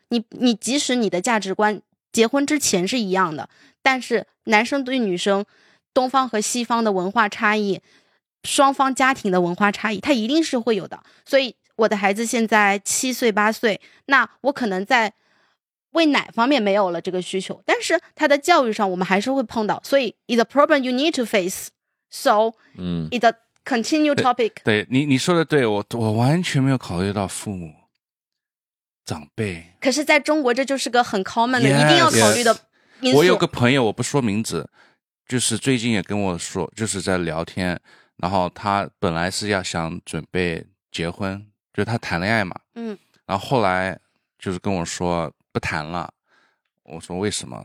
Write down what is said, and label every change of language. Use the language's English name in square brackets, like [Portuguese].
[Chinese] 你即使你的价值观结婚之前是一样的，但是男生对女生，东方和西方的文化差异，双方家庭的文化差异，它一定是会有的。所以我的孩子现在七岁八岁，那我可能在喂奶方面没有了这个需求，但是他的教育上我们还是会碰到。所以 [English] it's a problem you need to face. So it's a continue topic. [Chinese] 对你说的对，我完全没有考虑到父母。长辈，可是在中国这就是个很 common 的 [English] yes, [Chinese] 一定要考虑的因素。我有个朋友，我不说名字，就是最近也跟我说，就是在聊天，然后他本来是要想准备结婚，就是他谈恋爱嘛，然后后来就是跟我说不谈了。我说为什么？